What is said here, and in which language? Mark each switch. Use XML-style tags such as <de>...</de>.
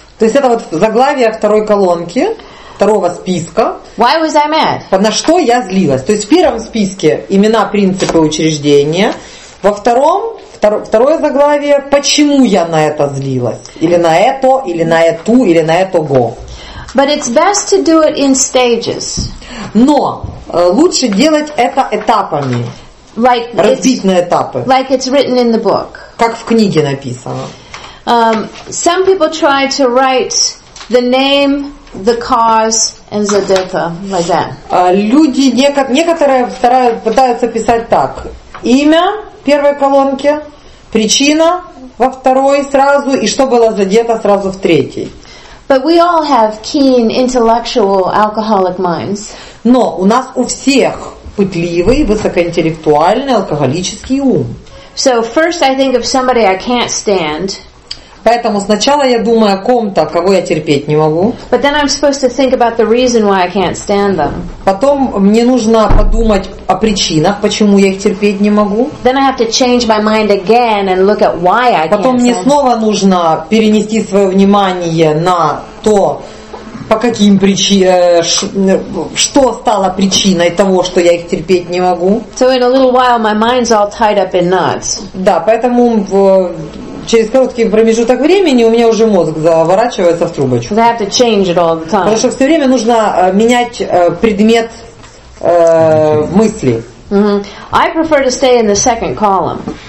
<ru>То есть это вот заглавие второй колонки. Второго списка.</ru> <en>Why was I mad?</en> <ru>На что я злилась? То есть в первом списке имена, принципы, учреждения. Во втором, второе заглавие, почему я на это злилась? Или на это, или на эту, или на этого.</ru> <en>But it's best to do it in stages.</en> <ru>Но лучше делать это этапами.</ru> <en>Like</en> <ru>разбить на этапы.</ru> <en>Like it's written in the book.</en> <ru>Как в книге написано.</ru> <en>Some people try to write the name, the cause and the data like that.</en> <ru>Люди некоторые пытаются писать так: имя первой колонки, причина во второй сразу и что было задето сразу в третьей.</ru> <en>But we all have keen intellectual alcoholic minds.</en> <ru>Но у нас у всех пытливый высокоинтеллектуальный алкоголический ум.</ru> <en>So first I think of somebody I can't stand.</en> <ru>Поэтому сначала я думаю о ком-то, кого я терпеть не могу.</ru> <en>But then I'm supposed to think about the reason why I can't stand them.</en> <ru>Потом мне нужно подумать о причинах, почему я их терпеть не могу.</ru> <en>Then I have to change my mind again and look at why I can't stand.</en> <ru>Потом мне снова нужно перенести свое внимание на то, по каким причинам, что стало причиной того, что я их терпеть не могу.</ru> <en>So in a little while my mind's all tied up in knots.</en> <ru>Да, поэтому через короткий промежуток времени у меня уже мозг заворачивается в трубочку.</ru> <en>I have to change it all the time.</en> <ru>Потому что все время нужно менять предмет мысли. Mm-hmm.</ru> <en>I prefer to stay in the second column.</en>